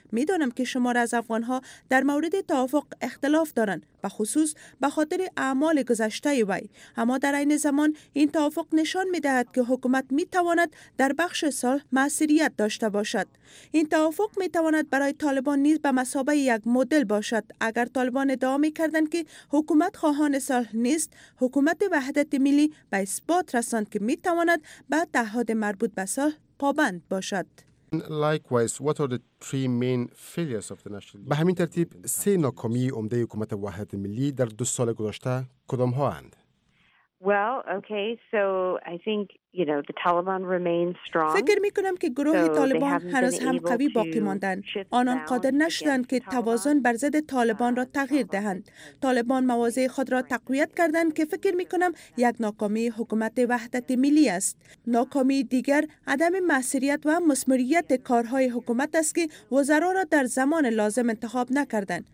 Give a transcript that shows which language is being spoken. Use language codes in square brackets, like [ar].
[fa] می دانم که شما از افغان ها در مورد توافق اختلاف دارند، به خصوص به خاطر اعمال گذشته وی، اما در عین زمان این توافق نشان می دهد که حکومت می تواند در بخش سال مؤثریت داشته باشد. این توافق می تواند برای طالبان نیز به مثابه یک مدل باشد. اگر طالبان ادعا می کردند که حکومت خواهان صلح نیست، حکومت وحدت ملی به اثبات رساند که می تواند به تعهد مربوط به صلح پابند باشد. [en] Likewise, what are the three main failures of the national? [fa] به همین ترتیب سه ناکامی عمده حکومت وحدت ملی در دو سال گذشته کدام ها اند؟ [en] Well, okay, so I think the Taliban remain strong. [fa] فکر می کنم که گروه طالبان هنوز هم قوی باقی ماندند. آنان قادر نشدند که توازن بر ضد طالبان را تغییر دهند. طالبان مواضع خود را تقویت کردند که فکر می کنم یک ناکامی حکومت وحدت ملی است. ناکامی دیگر عدم مؤثریت و مثمریت کارهای حکومت است که وزرا را در زمان لازم انتخاب نکردند.